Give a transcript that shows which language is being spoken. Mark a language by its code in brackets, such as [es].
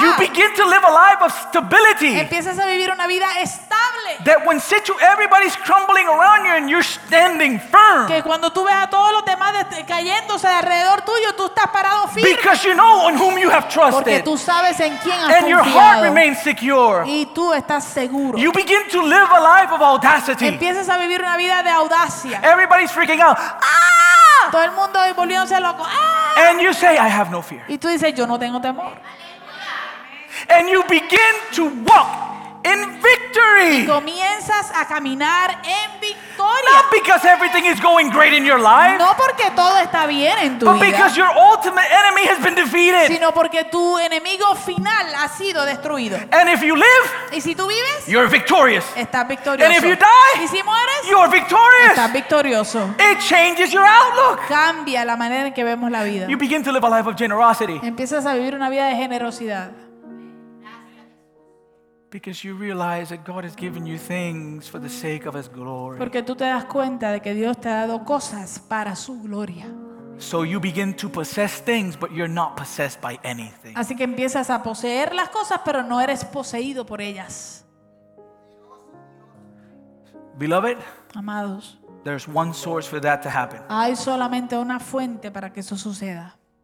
[en] You begin to live a life of stability. [es] Empiezas a vivir una vida estable. [en] That when everybody's crumbling around you and you're standing firm. [es] Que cuando tú ves a todos los demás cayéndose de alrededor tuyo, tú estás parado firme. [en] Because you know on whom you have trusted. [es] Porque tú sabes en quién has [en] and [es] confiado. [en] Your heart remains secure. [es] Y tú estás seguro. [en] You begin to live a life of audacity. [es] Empiezas a vivir una vida de audacia. [en] Everybody's freaking out. ¡Ah! [es] Todo el mundo volviéndose loco. ¡Ah! [en] And you say, I have no fear. [es] Y tú dices, yo no tengo temor. [en] And you begin to walk in victory. [es] Y comienzas a caminar en victoria. [en] Not because everything is going great in your life. [es] No porque todo está bien en tu [en] but [es] vida. [en] Because your ultimate enemy has been defeated. [es] Sino porque tu enemigo final ha sido destruido. [en] And if you live, [es] y si tú vives, [en] you're victorious. [es] Estás victorioso. [en] And if you die, [es] y si mueres, [en] you're victorious. [es] Estás victorioso. [en] It changes your outlook. [es] Cambia la manera en que vemos la vida. [en] You begin to live a life of generosity. [es] Empiezas a vivir una vida de generosidad. [en] Because you realize that God has given you things for the sake of His glory. [es] Porque tú te das cuenta de que Dios te ha dado cosas para su gloria. [en] So you begin to possess things, but you're not possessed by anything. [es] Así que empiezas a poseer las cosas, pero no eres poseído por ellas. [en] Beloved, [es] amados, [en] there's one source for that to happen. [es] Hay solamente una fuente para que eso suceda.